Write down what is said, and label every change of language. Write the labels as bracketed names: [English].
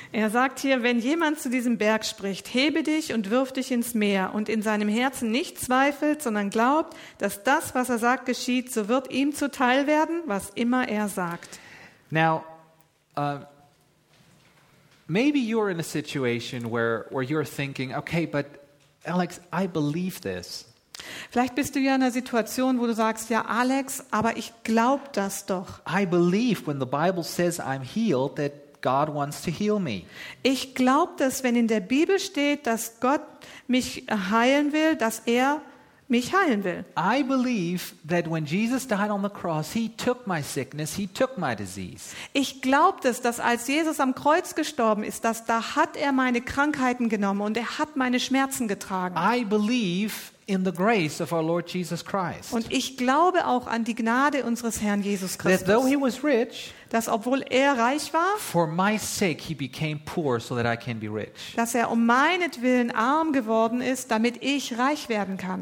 [German] Er sagt hier, wenn jemand zu diesem Berg spricht, hebe dich und wirf dich ins Meer und in seinem Herzen nicht zweifelt, sondern glaubt, dass das, was er sagt, geschieht, so wird ihm zuteil werden, was immer er sagt. [English] Now, maybe you're in a situation where you're thinking, okay, but Alex, I believe this. [German] Vielleicht bist du ja in einer Situation, wo du sagst, ja, Alex, aber ich glaube das doch. [English] I believe when the Bible says I'm healed, that God wants to heal me. [German] Ich glaube das, wenn in der Bibel steht, dass Gott mich heilen will, dass er mich heilen will. [English] I believe that when Jesus died on the cross, he took my sickness, he took my disease. [German] Ich glaube das, dass als Jesus am Kreuz gestorben ist, dass da hat er meine Krankheiten genommen und er hat meine Schmerzen getragen. [English] I believe in the grace of our Lord Jesus Christ. [German] Und ich glaube auch an die Gnade unseres Herrn Jesus Christus. [English] That though he was rich, [German] dass obwohl er reich war, [English] for my sake he became poor so that I can be rich. [German] Dass er um meinetwillen arm geworden ist, damit ich reich werden kann.